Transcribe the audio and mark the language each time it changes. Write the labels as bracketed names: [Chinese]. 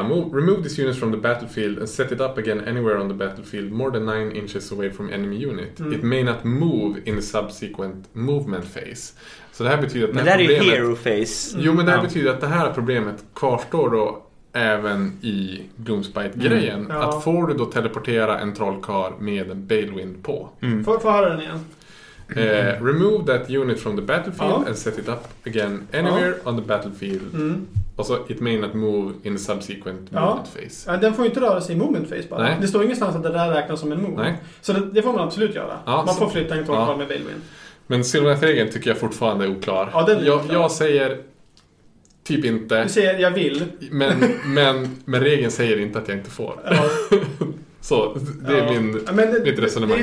[English] Remove this unit from the battlefield and set it up again anywhere on the battlefield more than 9 inches away from enemy unit. It may not move in the subsequent movement phase. [Swedish] Så det här betyder att men det här problemet, är ju hero phase. Jo, men det här betyder att det här problemet kvarstår då även i Gloomspite-grejen. Att får du då teleportera en trollkar med en Balewind på. Får höra den igen. [English] Remove that unit from the battlefield and set it up again anywhere on the battlefield. [Swedish] Och så [English] it may not move in the subsequent movement phase. [Swedish] Ja, den får ju inte röra sig i movement phase bara. Nej. Det står ingenstans att det där räknas som en move. Nej. Så det får man absolut göra. Ja, man får flytta en trollkar med Balewind. Men Silverhand-regeln tycker jag fortfarande är oklar. Ja, den är oklar. Jag säger typ inte. Du säger jag vill. Men regeln säger inte att jag inte får. Så det är mitt resonemang.